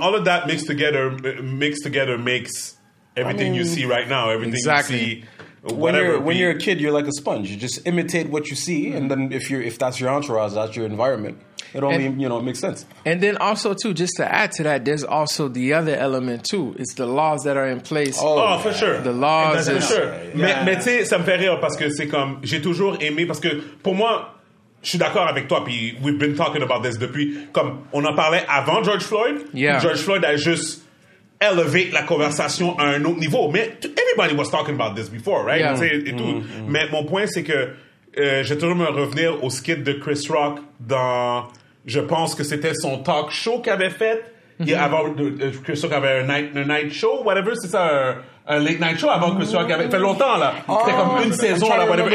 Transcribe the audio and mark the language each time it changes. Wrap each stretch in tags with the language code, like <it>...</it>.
<en>All of that mixed together makes everything you see right now. Everything exactly. you see, whatever. When you're a kid, you're like a sponge. You just imitate what you see, and then if that's your entourage, that's your environment. It makes sense. And then also too, just to add to that, there's also the other element too. It's the laws that are in place. For sure. The laws, for sure.</en> <fr>Mais tu sais, ça me fait rire parce que c'est comme j'ai toujours aimé parce que pour moi. Je suis d'accord avec toi, puis we've been talking about this depuis, comme on en parlait avant George Floyd.</fr> <en>Yeah.</en> <fr>George Floyd a juste élevé la conversation à un autre niveau.</fr> <en>Mais everybody was talking about this before, right? Yeah.</en> <fr>Et tout. Mm-hmm. Mais mon point, c'est que j'ai toujours me revenir au skit de Chris Rock dans, je pense que c'était son talk show qu'il avait fait. Mm-hmm. Chris Rock avait un night show, whatever, c'est ça un late night show avant Chris Rock avait. Fait longtemps, là. C'était comme une saison, là, whatever.</fr>